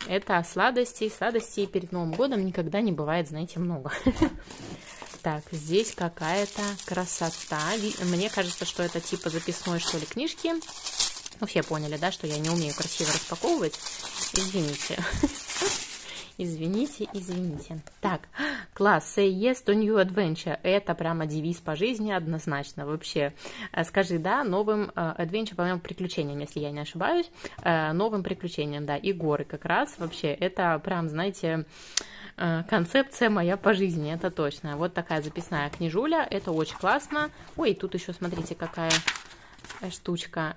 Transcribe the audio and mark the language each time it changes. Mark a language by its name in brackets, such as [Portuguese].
[Russian] Это сладости, сладости перед Новым годом никогда не бывает, знаете, много. Так, здесь какая-то красота. Мне кажется, что это типа записной, что ли, книжки. Ну, все поняли, да, что я не умею красиво распаковывать. Извините. Извините, извините. Так, класс, [English] say yes to new adventure. [Russian] Это прямо девиз по жизни однозначно вообще. Скажи да новым adventure, по-моему, приключениям, если я не ошибаюсь. Новым приключениям, да, и горы как раз. Вообще, это прям, знаете, концепция моя по жизни, это точно. Вот такая записная книжуля, это очень классно. Ой, тут еще, смотрите, какая... штучка.